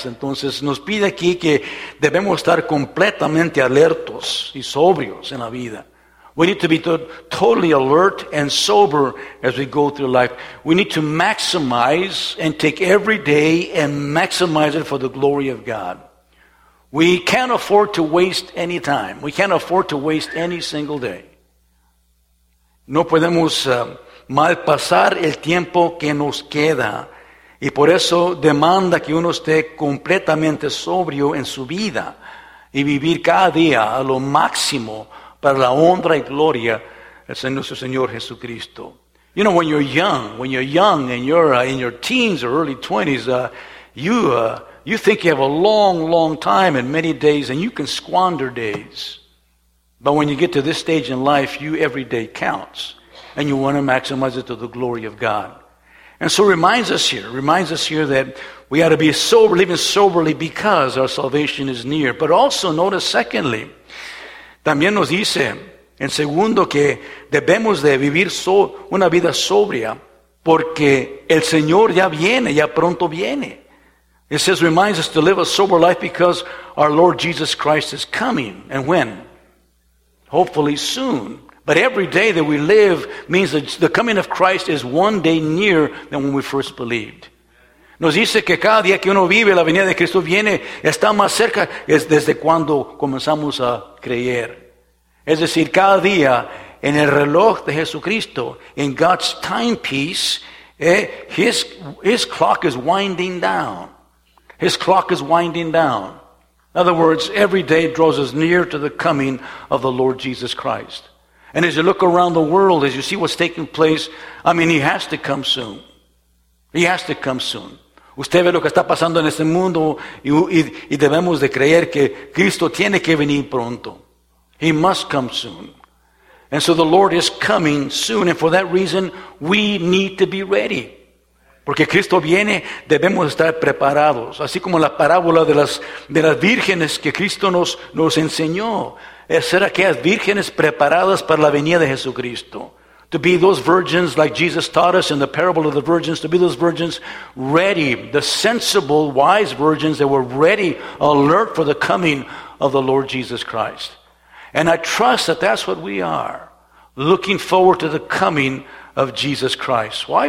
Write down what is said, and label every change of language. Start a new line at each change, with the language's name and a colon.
Spanish: Entonces nos pide aquí que debemos estar completamente alertos y sobrios en la vida.
English: We need to be totally alert and sober as we go through life. We need to maximize and take every day and maximize it for the glory of God. We can't afford to waste any time. We can't afford to waste any single day.
Spanish: No podemos malpasar el tiempo que nos queda. Y por eso demanda que uno esté completamente sobrio en su vida y vivir cada día a lo máximo para la honra y gloria de nuestro Señor Jesucristo.
English: You know, when you're young and you're in your teens or early 20s, you think you have a long, long time and many days, and you can squander days. But when you get to this stage in life, you every day counts. And you want to maximize it to the glory of God. And so reminds us here that we ought to be sober, living soberly because our salvation is near. But also notice secondly,
Spanish: también nos dice, en segundo, que debemos de vivir una vida sobria porque el Señor ya viene, ya pronto viene.
English: It says, reminds us to live a sober life because our Lord Jesus Christ is coming. And when? Hopefully soon. But every day that we live means that the coming of Christ is one day nearer than when we first believed.
Spanish: Nos dice que cada día que uno vive, la venida de Cristo viene, está más cerca es desde cuando comenzamos a creer. Es decir, cada día en el reloj de Jesucristo,
English: in God's timepiece, his clock is winding down. His clock is winding down. In other words, every day draws us near to the coming of the Lord Jesus Christ. And as you look around the world, as you see what's taking place, I mean, he has to come soon. He has to come soon.
Spanish: Usted ve lo que está pasando en este mundo y debemos de creer que Cristo tiene que venir pronto.
English: He must come soon. And so the Lord is coming soon. And for that reason, we need to be ready.
Spanish: Porque Cristo viene, debemos estar preparados. Así como la parábola de las vírgenes que Cristo nos enseñó. Ser aquellas vírgenes preparadas para la venida de Jesucristo.
English: To be those virgins like Jesus taught us in the parable of the virgins. To be those virgins ready. The sensible, wise virgins that were ready, alert for the coming of the Lord Jesus Christ. And I trust that that's what we are. Looking forward to the coming of Jesus Christ. Why?